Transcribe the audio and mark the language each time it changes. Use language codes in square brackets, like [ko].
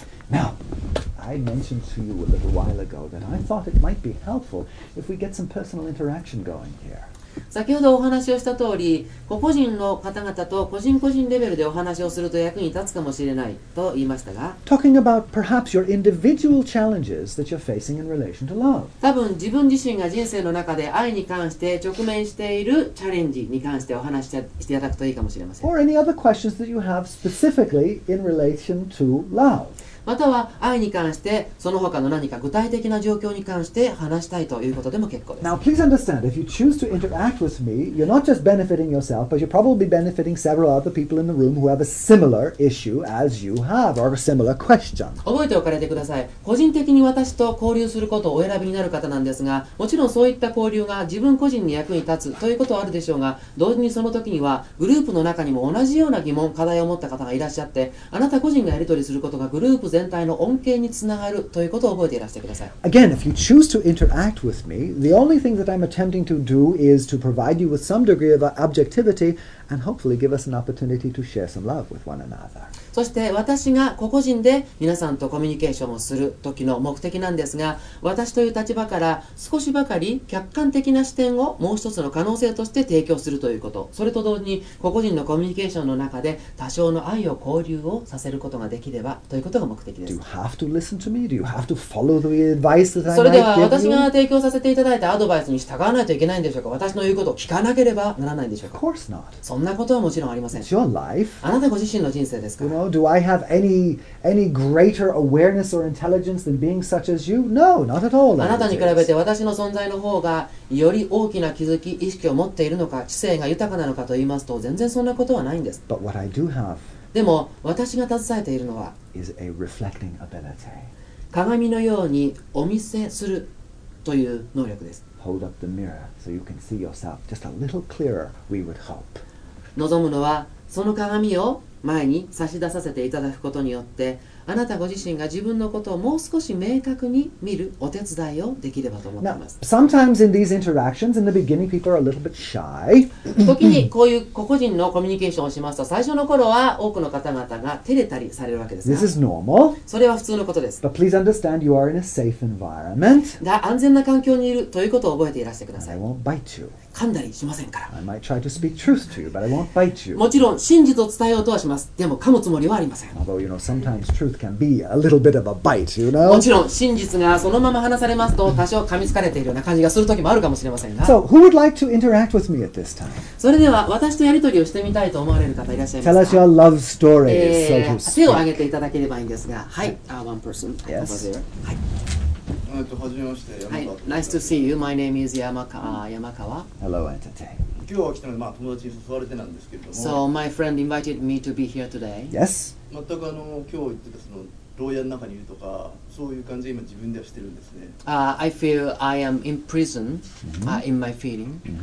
[en] Now, I mentioned to you a little while ago that I thought it might be helpful if we get some personal interaction going here. [ja] 先ほどお話をした通り、個々人の方々と個人個人レベルでお話をすると役に立つかもしれないと言いましたが、 [en] Talking about perhaps your individual challenges that you're facing in relation to love. [ja] 多分自分自身が人生の中で愛に関して直面しているチャレンジに関してお話していただくといいかもしれません。 [en] Or any other questions that you have specifically in relation to love. [ja] または愛に関してその他の何か具体的な状況に関して話したいということでも結構です。 [en] Now please understand, if you choose to interact with me, you're not just benefiting yourself, but you're probably benefiting several other people in the room who have a similar issue as you have, or a similar question. [ja] 覚えておかれてください。個人的に私と交流することをお選びになる方なんですが、もちろんそういった交流が自分個人に役に立つということはあるでしょうが、同時にその時にはグループの中にも同じような疑問、課題を持った方がいらっしゃって、あなた個人がやり取りすることがグループ全体の恩恵につながるということを覚えていらしてください。 [en] Again, if you choose to interact with me, the only thing that I'm attempting to do is to provide you with some degree of objectivity and hopefully give us an opportunity to share some love with one another. [ja] そして私が個々人で皆さんとコミュニケーションをする時の目的なんですが、私という立場から少しばかり客観的な視点をもう一つの可能性として提供するということ、それと同時に個々人のコミュニケーションの中で多少の愛を交流をさせることができればということが目的です。 [en] Do you have to listen to me? Do you have to follow the advice that I might give you? [ja] それでは私が提供させていただいたアドバイスに従わないといけないんでしょうか？私の言うことを聞かなければならないんでしょうか？ [en] Of course not. [ja] そんなことはもちろんありません。 [en] It's your life. [ja] あなたご自身の人生ですから。 [en] Do I have any greater awareness or intelligence than being such as you? No, not at all. [ja] あなたに比べて私の存在の方がより大きな気づき、意識を持っているのか、知性が豊かなのかと言いますと、全然そんなことはないんです。 [en] But what I do have, [ja] でも私が携えているのは、 [en] is a reflecting ability. [ja] 鏡のようにお見せするという能力です。 [en] Hold up the mirror so you can see yourself just a little clearer, we would hope. [ja] 望むのは、その鏡を前に差し出させていただくことによって、あなたご自身が自分のことをもう少し明確に見るお手伝いをできればと思っています。 [en] Now, sometimes in these interactions, in the beginning, people are a little bit shy. [ja] 時にこういう個々人のコミュニケーションをしますと、最初の頃は多くの方々が照れたりされるわけですが、 [en] This is normal. [ja] それは普通のことです。 [en] But please understand, you are in a safe environment. [ja] が安全な環境にいるということを覚えていらしてください。 [en] And I won't bite you. [ja] 噛んだりしませんから。 [en] I might try to speak truth to you, but I won't bite you. [ja] もちろん真実を伝えようとはします。でも噛むつもりはありません。 [en] Although, you know, sometimes truth can be a little bit of a bite, you know? [ja] もちろん真実がそのまま話されますと多少噛みつかれているような感じがする時もあるかもしれませんが。 [en] So, who would like to interact with me at this time? [ja] それでは私とやり取りをしてみたいと思われる方いらっしゃいますか？ [en] Tell us your love story, so to speak. [ja] 手を挙げていただければいいんですが、はい、 [en] one person. Yes. [ja] はい、はじめまして、山川。 [en] Hi, nice to see you. My name is Yamakawa. Hello, Entertain. [ja] 今日は来たので、友達に誘われてなんですけれども。 [en] So, my friend invited me to be here today. Yes. [ja] 全く今日言ってたその牢屋の中にいるとか、そういう感じで今自分ではしてるんですね。 [en] I feel I am in prison, in my feeling.